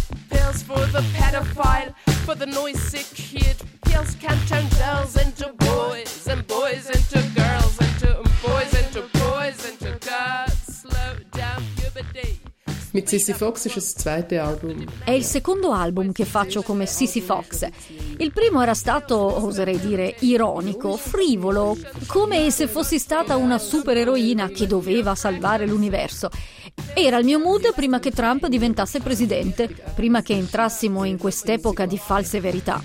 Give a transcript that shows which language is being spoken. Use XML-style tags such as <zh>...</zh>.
<en>Pills for the pedophile, for the noisy kid. Pills can turn girls into boys, and boys into girls, into boys, into boys, into girls. Slow down puberty.</en> <de>Mit Sissy Fox ist das zweite Album.</de> <it>È il secondo album che faccio come Sissy Fox. Il primo era stato, oserei dire, ironico, frivolo, come se fossi stata una supereroina che doveva salvare l'universo. Era il mio mood prima che Trump diventasse presidente, prima che entrassimo in quest'epoca di false verità.</it>